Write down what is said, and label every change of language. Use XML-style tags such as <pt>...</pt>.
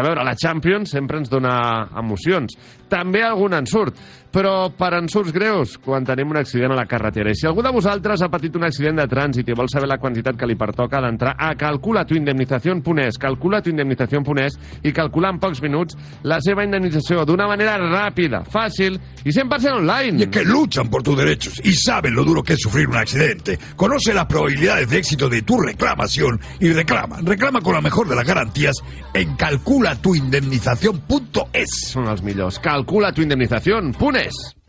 <ca>A veure, la Champions sempre ens dona emocions. També algun ensurt, però per ensurts greus, quan tenim un accident a la carretera. I si algú de vosaltres ha patit un accident de trànsit i vol saber la quantitat que li pertoca d'entrar a calculatuindemnizacion.es, calculatuindemnizacion.es, i calcular en pocs minuts la seva indemnització d'una manera ràpida, fàcil i 100% online.</ca> <es>Y es que luchan por tus derechos y saben lo duro que es sufrir un accidente. Conoce las probabilidades de éxito de tu reclamación y reclama. Reclama con la mejor de las garantías en calculatuindemnización.es.</es> <ca>Són els millors. Calculatuindemnización.es.</ca>